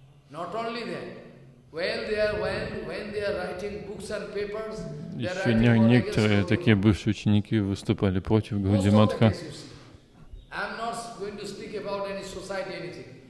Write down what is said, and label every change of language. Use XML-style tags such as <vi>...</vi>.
<en>Not only that, when they are writing books and papers,</en> <ru>еще некоторые такие бывшие ученики выступали против Гауди Матха.</ru> <en>I'm not going to speak about any society anything.</en>